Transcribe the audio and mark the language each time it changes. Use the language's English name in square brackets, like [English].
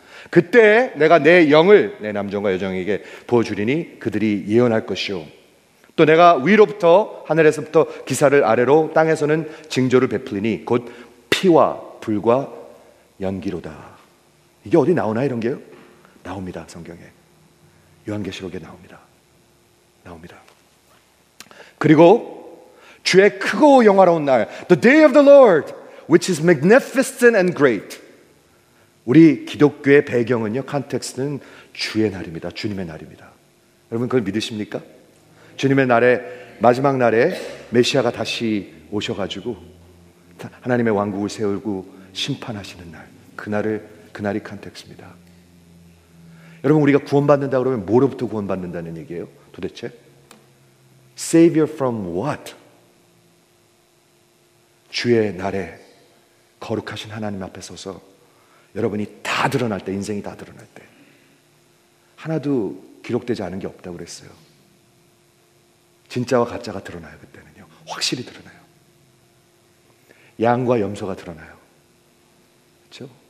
[Korean] 그때 내가 내 영을 내 남종과 여종에게 부어주리니 그들이 예언할 것이요 또 내가 위로부터 하늘에서부터 기사를 아래로 땅에서는 징조를 베풀리니 곧 피와 불과 연기로다. 이게 어디 나오나 이런 게요? 나옵니다. 성경에 요한계시록에 나옵니다. 그리고 주의 크고 영화로운 날 [English] The day of the Lord which is magnificent and great. [Korean] 우리 기독교의 배경은요 컨텍스트는 주의 날입니다. 주님의 날입니다. 여러분 그걸 믿으십니까? 주님의 날에 마지막 날에 메시아가 다시 오셔가지고 하나님의 왕국을 세우고 심판하시는 날 그날을 그날이 컨텍스트입니다. 여러분 우리가 구원받는다 그러면 뭐로부터 구원받는다는 얘기예요? 도대체 [English] Savior from what? [Korean] 주의 날에 거룩하신 하나님 앞에 서서 여러분이 다 드러날 때 인생이 다 드러날 때 하나도 기록되지 않은 게 없다고 그랬어요. 진짜와 가짜가 드러나요. 그때는요 확실히 드러나요. 양과 염소가 드러나요. 그렇죠?